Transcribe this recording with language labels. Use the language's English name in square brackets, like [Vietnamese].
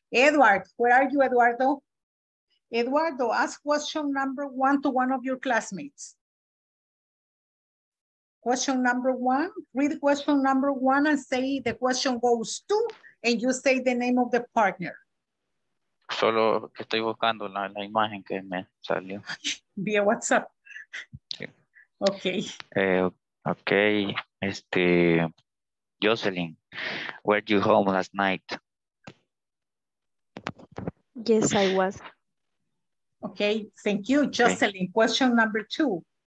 [English] Edward, where are you, Eduardo? Eduardo, ask question number one to one of your classmates. Question number one, read question number one and say the question goes to, and you say the name of the partner. [Spanish] Solo que estoy buscando la imagen que me salió. [English] Via WhatsApp. Sí. Okay. Okay, este, Jocelyn, were you home last night? Yes, I was. Okay, thank you, Jocelyn. Okay. Question number two.